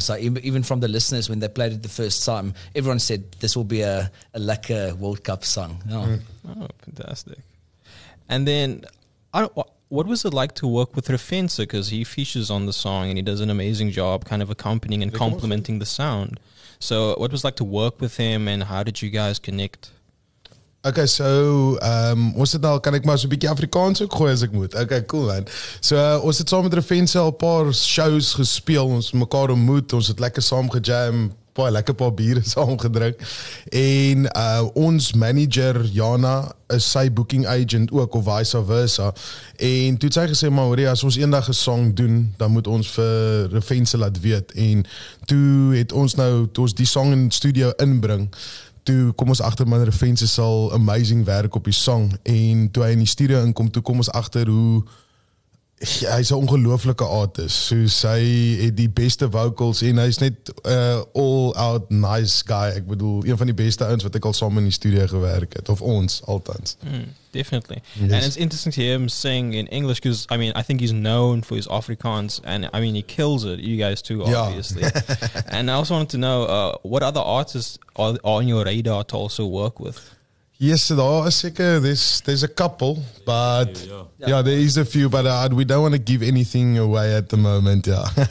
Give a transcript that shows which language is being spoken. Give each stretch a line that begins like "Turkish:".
English: So even from the listeners, when they played it the first time, everyone said this will be a lekker World Cup song. Oh. Oh, fantastic. And then what was it like to work with Refensa? Because he features on the song and he does an amazing job kind of accompanying and complementing the sound. So what was it like to work with him and how did you guys connect?
Afrikaans: Okay, so ons het al, kan ek maar so 'n bietjie Afrikaans ook gooi as ek moet.
English: Okay, cool man.
Afrikaans: So ons het saam met Refensa al paar shows gespeel, ons mekaar ontmoet, ons het lekker saam gejam, baie lekker paar biere saam gedrink. En ons manager Jana is sy booking agent ook, of vice versa. En toe het sy gesê, maar hoorie, as ons eendag 'n song doen, dan moet ons vir Refensa laat weet. En toe het ons nou, toe ons die song in die studio inbring, toe kom ons agter, man, Refensa sal amazing werk op die song. En toe hy in die studio inkom, toe kom ons agter hoe hy is 'n ongelooflike artist. So hy het die beste vocals en hy is net
English: all out nice guy.
Afrikaans: Ek bedoel, een van die beste ouens wat ek al saam in die studio gewerk het, of ons althans.
English: Definitely. Yes. And it's interesting to hear him sing in English because, I mean, I think he's known for his Afrikaans and, I mean, he kills it, you guys too, obviously. Yeah. And I also wanted to know, what other artists are on your radar to also work with? Yes, there's a couple, but there is a few, but we don't want to give anything away at the moment, yeah.